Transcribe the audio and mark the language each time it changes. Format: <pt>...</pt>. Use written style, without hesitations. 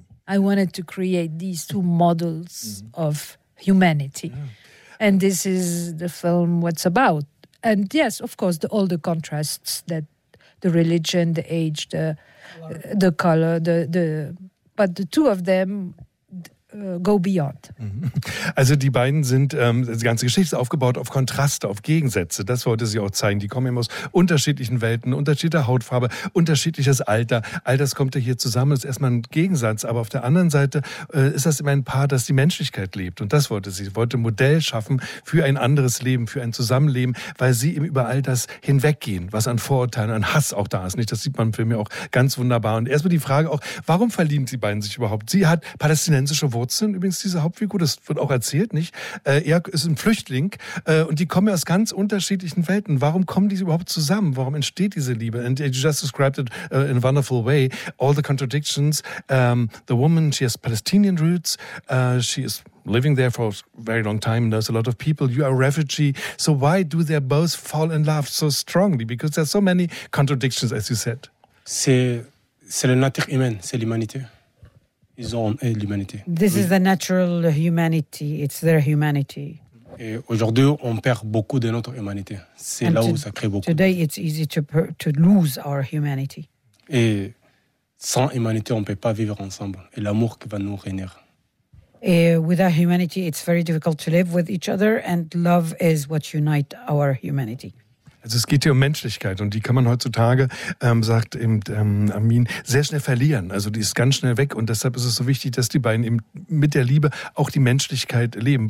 <en>I wanted to create these two models of humanity. Yeah. And this is the film what's about. And yes, of course, all the contrasts, that the religion, the age, the color, but the two of them go beyond.</en> <de>Also die beiden sind, die ganze Geschichte ist aufgebaut auf Kontraste, auf Gegensätze. Das wollte sie auch zeigen. Die kommen eben aus unterschiedlichen Welten, unterschiedlicher Hautfarbe, unterschiedliches Alter. All das kommt ja hier zusammen. Das ist erstmal ein Gegensatz. Aber auf der anderen Seite ist das eben ein Paar, das die Menschlichkeit lebt. Und das wollte sie. Sie wollte ein Modell schaffen für ein anderes Leben, für ein Zusammenleben, weil sie eben über all das hinweggehen, was an Vorurteilen, an Hass auch da ist. Nicht? Das sieht man im Film ja auch ganz wunderbar. Und erstmal die Frage auch, warum verlieben die beiden sich überhaupt? Sie hat palästinensische Wurzeln. Wurzeln, übrigens diese Hauptfigur, das wird auch erzählt, nicht? Er ist ein Flüchtling und die kommen aus ganz unterschiedlichen Welten. Warum kommen die überhaupt zusammen? Warum entsteht diese Liebe?</de> <en>And you just described it in a wonderful way. All the contradictions. The woman, she has Palestinian roots. She is living there for a very long time. There's a lot of people. You are a refugee. So why do they both fall in love so strongly? Because there's so many contradictions, as you said.</en> <fr>C'est la nature humaine, c'est l'humanité. Ils ont l'humanité.</fr> <en>This is the natural humanity. It's their humanity.</en> <fr>Et aujourd'hui, on perd beaucoup de notre humanité. C'est là où ça crée beaucoup.</fr> <en>Today, it's easy to lose our humanity.</en> <fr>Et sans humanité, on ne peut pas vivre ensemble. Et l'amour qui va nous réunir.</fr> <en>Et without humanity, it's very difficult to live with each other. And love is what unites our humanity.</en> <de>Also es geht hier um Menschlichkeit und die kann man heutzutage, sagt eben Amin, sehr schnell verlieren. Also die ist ganz schnell weg und deshalb ist es so wichtig, dass die beiden eben mit der Liebe auch die Menschlichkeit leben.</de>